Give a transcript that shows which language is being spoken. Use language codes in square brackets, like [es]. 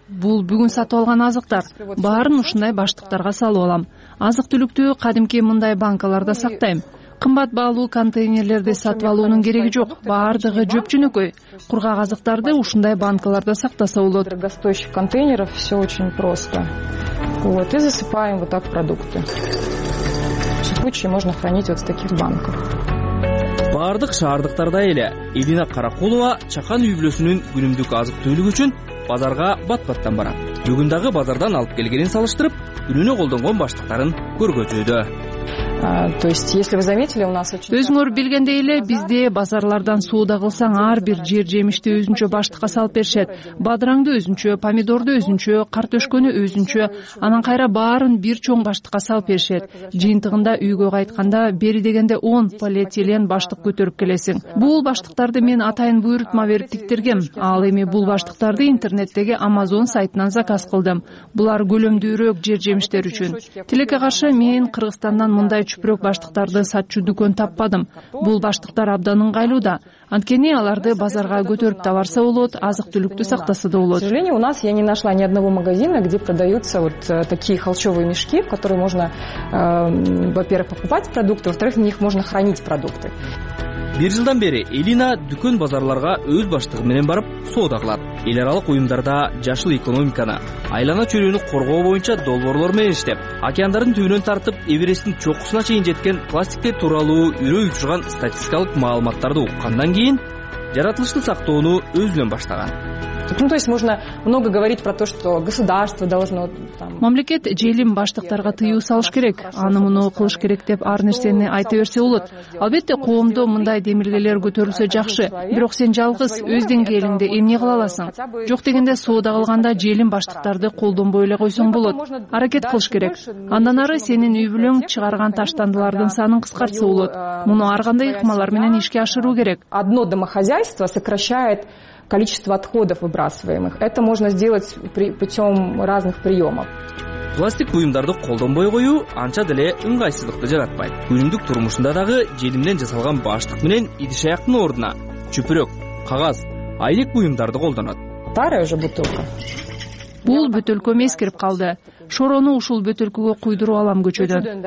[ky] Бул бүгүн сатып алган азыктар. Баарын ушундай баштыктарга салып алам. Азык-түлүктү кадимки мындай банкаларда сактайм. Кымбат баалуу контейнерлерде сатып алуунун кереги жок. Баардыгы жөпчүнөкөй. Кургак азыктарды ушундай банкаларда сактаса болот. [ru] Гостоящих контейнеров всё очень просто. Вот и засыпаем вот так продукты. В случае можно хранить вот в таких банках. [ky] Баардык шаардыктарда эле Элина Каракулова чакан үйбүлөсүнүн күнүмдүк азык-түлүгү үчүн базарга бат-баттан барат. Бүгүн дагы базардан алып келгенин салыштырып, күнүнө колдонгон баштыктарын көргөзүүдө. [ru] То есть, если вы заметили, у нас очень [ky] Өзүңөр билгендей эле бизде базарлардан сууда кылсаң, ар бир жер жемишти өзүнчө баштыкка салып беришет. Бадыраңды өзүнчө, помидорду өзүнчө, картөшкөнү өзүнчө, анан кайра баарын бир чоң баштыкка салып беришет. Жыйынтыгында үйгө кайтканда бери дегенде 10 полиэтилен баштык көтөрүп келесиң. Бул баштыктарды мен атайын буйрутма берип тиктиргем. Ал эми бул баштыктарды интернеттеги Amazon сайтынан заказ кылдым. Булар көлөмдүүрөөк жер жемиштер үчүн. Тилекке каршы мен Кыргызстандан мындай чүпүрөк баштыктарды сатчу дүкөн таппадым. Бул баштыктар абдан ыңгайлуу. Анткени аларды базарга көтөрүп табарса болот, азык-түлүктү сактаса да болот. [ru] Сегодня у нас я не нашла ни одного магазина, где продаются вот такие холщовые мешки, в которые можно, во-первых, покупать продукты, во-вторых, в них можно хранить продукты. [ky] Бир жылдан бери Элина дүкөн базарларга өз баштыгы менен барып соода кылат. Эл аралык уюмдарда жашыл экономиканы, айлана чөйрөнү коргоо боюнча долбоорлор менен иштеп, океандардын түбүнөн тартып Эвересттин чокусуна чейин жеткен пластиктер тууралуу үрөй учурган статистикалык маалыматтарды уккандан кийин жаратылышты сактоону өзүнөн баштаган. [ru] Ну, то есть можно много говорить про то, что государство должно там [ky] Мамлекет желим баштыктарга тыюу салыш керек. Аны муну кылыш керек деп ар нерсени айта берсе болот. Албетте коомдо мындай демилгелер көтөрүлсө жакшы, бирок сен жалгыз өз деңгээлиңде эмне кыла аласың? Жок дегенде соода кылганда желим баштыктарды колдонбой эле койсоң болот. Аракет кылыш керек. Андан ары сенин үй бүлөң чыгарган таштандылардын санын кыскартса болот. Муну ар кандай ыкмалар менен ишке ашыруу керек. [ru] Одно домохозяйство сокращает количество отходов выбрасываемых. Это можно сделать путем разных приемов. [ky] Пластик буюмдарды колдонбой коюу анча деле ыңгайсыздыкты жаратпайт. Күнүмдүк турмушунда дагы желимден жасалган баштык менен идиш аяктын ордуна чүпүрөк, кагаз, айнек буюмдарды колдонот. [ru] Старая же бутылка. [ky] Бул бөтөлкө эскирип калды. Шорону ушул бөтөлкөгө куйдуруп алам көчөдөн.